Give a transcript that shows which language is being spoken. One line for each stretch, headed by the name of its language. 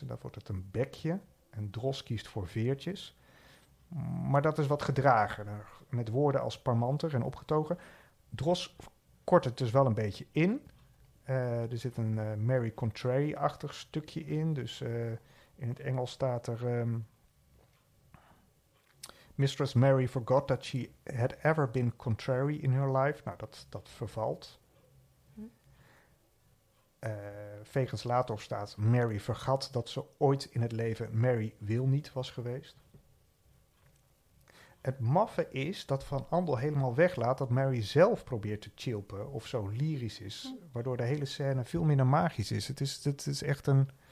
Dutch: En dat wordt het een bekje. En Dros kiest voor veertjes. Maar dat is wat gedragener. Met woorden als parmanter en opgetogen. Dros kort het dus wel een beetje in. Er zit een Mary Contrary-achtig stukje in. Dus in het Engels staat er...
English: Mistress Mary forgot that she had ever been contrary in her life.
Dutch: Nou, dat vervalt. Vegens later staat Mary vergat dat ze ooit in het leven Mary wil niet was geweest. Het maffe is dat Van Andel helemaal weglaat dat Mary zelf probeert te chilpen of zo lyrisch is, waardoor de hele scène veel minder magisch is. Het is echt een...